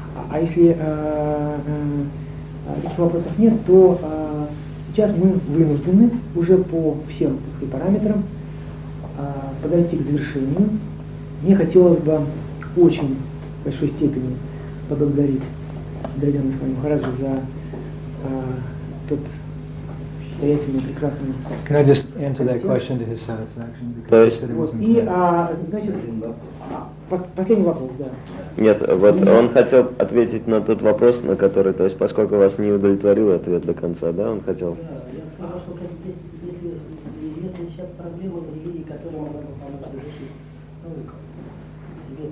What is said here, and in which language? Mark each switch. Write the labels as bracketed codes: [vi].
[ru] А если таких вопросов нет, то сейчас мы вынуждены уже по всем, так сказать, параметрам подойти к завершению. Мне хотелось бы очень в большой степени поблагодарить Дарьяна Свами Мухараджу за тот состоятельный, прекрасный... [en] Can I just answer that question to his satisfaction? Because he said it wasn't clear. [ru] И, значит, последний вопрос, да. Нет, вот он хотел ответить на тот вопрос, на который, то есть поскольку вас не удовлетворил ответ до конца, да, он хотел... Да, я сказал, что если известны сейчас проблемы в религии, которые мы можем решить.